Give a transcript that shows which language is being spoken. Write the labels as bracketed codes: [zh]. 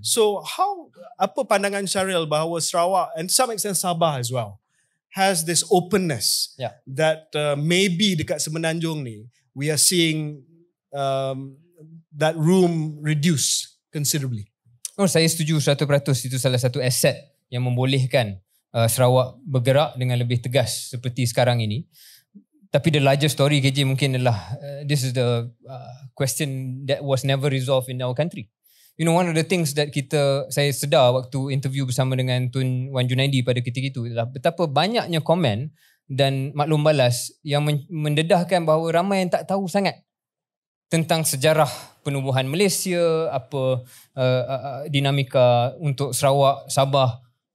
[en] So how, [ms] apa pandangan Syaril bahawa [en] Sarawak and to some extent Sabah as well has this openness that maybe [ms] dekat Semenanjung ni, [en] we are seeing that room reduce considerably. [ms] Oh, saya setuju 100%. Itu salah satu aset yang membolehkan Sarawak bergerak dengan lebih tegas seperti sekarang ini. [en] Tapi the larger story, KJ, [ms] mungkin adalah [en] this is the question that was never resolved in our country. You know, one of the things that [ms] kita saya sedar waktu interview bersama dengan Tun Wan Junaidi pada ketika itu adalah betapa banyaknya komen dan maklum balas yang mendedahkan bahawa ramai yang tak tahu sangat tentang sejarah penubuhan Malaysia, apa dinamika untuk Sarawak, Sabah.